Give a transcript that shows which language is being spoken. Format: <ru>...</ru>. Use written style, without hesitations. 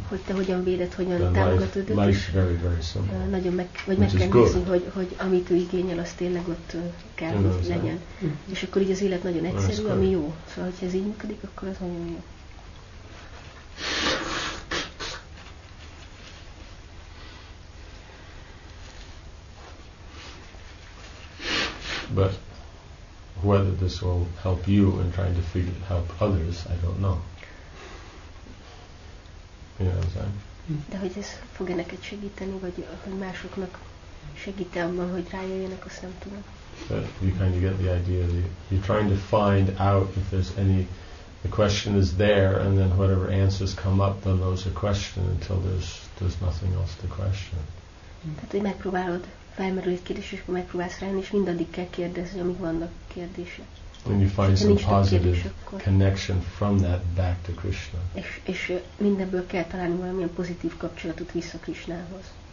<hu>Hogy te hogyan véded, hogyan támogatod,</hu> <en>then life's very, very simple.</en> <hu>Nagyon meg, vagy meg kell nézni, hogy amit ő igényel, az tényleg ott kell, hogy legyen. És akkor így az élet nagyon egyszerű, ami jó. Szóval, hogyha ez így működik, akkor az nagyon jó.</hu> <en>But whether this will help you in trying to figure help others, I don't know. You know what I'm saying?</en> <hu>De hogy ez fog-e neked segíteni, vagy hogy másoknak segíteni abban, hogy rájöjjenek, azt nem tudom.</hu> <en>But you kind of get the idea. You're trying to find out if there's any. The question is there, and then whatever answers come up, then those are questioned until there's nothing else to question.</en> <hu>Tehát, hogy megpróbálod felmerül egy kérdés, és akkor megpróbálsz rá, és mindaddig kell kérdezni, amíg vannak kérdések.</hu> <en>And you find some positive connection from that back to Krishna.</en> <hu>És mindebből kell találni valamilyen pozitív kapcsolatot vissza Krishnához.</hu>